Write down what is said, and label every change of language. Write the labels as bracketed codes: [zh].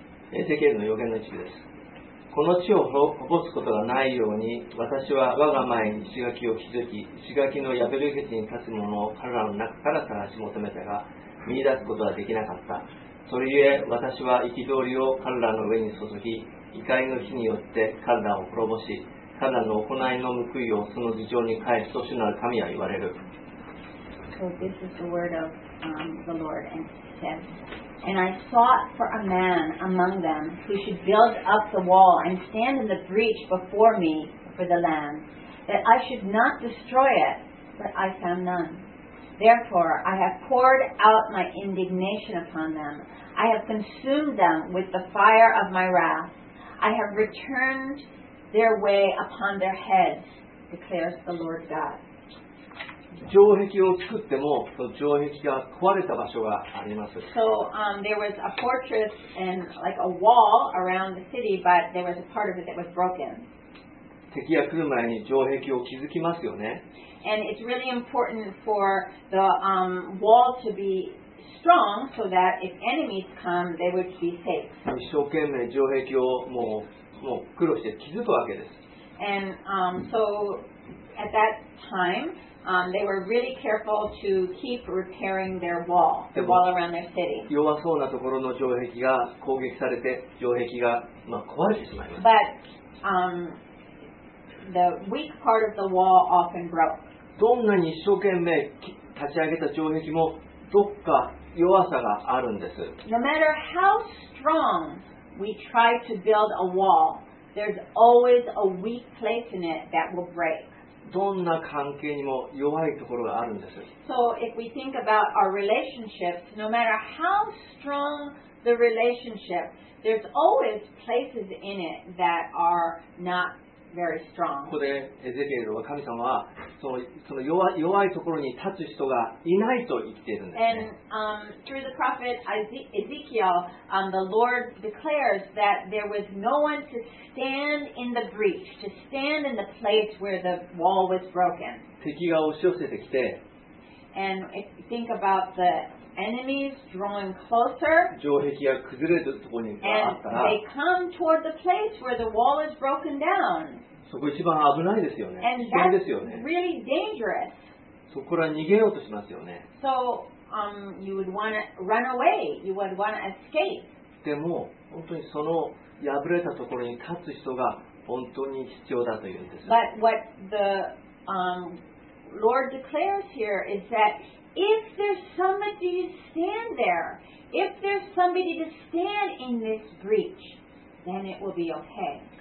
[ja] Ezekiel の予言の一です。この地を滅ぼすことがないように、私は我が前に石垣を築き、石垣の破れ口に立つものを彼らの中から探し求めたが、見出すことはできなかった。それゆえ私は憤りを彼らの上に注ぎ、怒りの火によって彼らを滅ぼし、彼らの行いの報いをその事情に返すと主なる神は言われる。 [en] So this is the word of, the Lord, and said, And I sought for a man among them who should build up the wall and stand in the breach before me for the land, that I should not destroy it, but I found none. Therefore I have poured out my indignation upon them. I have consumed them with the fire of my wrath. I have returned their way upon their heads, declares the Lord God. [ja] 城壁を作っても、その城壁が壊れた場所があります。 [en] So, there was a fortress and like a wall around the city, but there was a part of it that was broken. [ja] 敵が来る前に城壁を築きますよね。 [en] And it's really important for the, wall to bebe strong so that if enemies come, they would be safe. [ja] 一生懸命城壁をもう苦労して築くわけです。 [en] And so at that time, they were really careful to keep repairing their wall, the wall around their city. [ja] 弱そうなところの城壁が攻撃されて城壁が壊れてしまいます。 [en] But the weak part of the wall often broke. [ja] どんなに一生懸命立ち上げた城壁もどっか弱さがあるんです。 [en] No matter how strong we try to build a wall, there's always a weak place in it that will break. [ja] どんな関係にも弱いところがあるんです。 [en] So if we think about our relationships, no matter how strong the relationship, there's always places in it that are not very strong. [ja] ここでエゼキエルは神様はその弱いところに立つ人がいないと言っているんですね。 [en] And through the prophet Ezekiel, the Lord declares that there was no one to stand in the breach, to stand in the place where the wall was broken. [ja] 敵が押し寄せてきて、 [en] And think about the enemies drawing closer, [ja] 城壁が崩れるところにあったら、 [en] And they come toward the place where the wall is broken down. [ja] そこ一番危ないですよね。 [en] And、 [ja] 危険ですよね。 [en] Really、dangerous. [ja] そこから逃げようとしますよね。 [en] So, you would wanna run away. You would wanna escape. [ja] でも本当にその破れたところに立つ人が本当に必要だというんです。 [en] But what the、Lord declares here is that if there's somebody to stand there, if there's somebody to stand in this breach, then it will be okay.